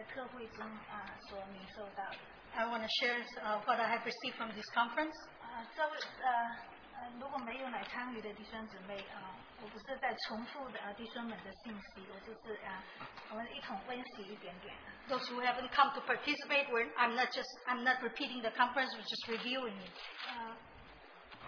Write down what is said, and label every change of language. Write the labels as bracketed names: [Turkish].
[Chinese] 谢谢，感谢神。我也分享一些这次我们在特会中所领受到的。 [English] I want to share what I have received from this conference. [Chinese] 如果没有来参与的弟兄姊妹，我不是在重复弟兄们的信息，我就是我们一同温习一点点。 [English] Those who haven't come to participate, I'm not repeating the conference, we're just reviewing it.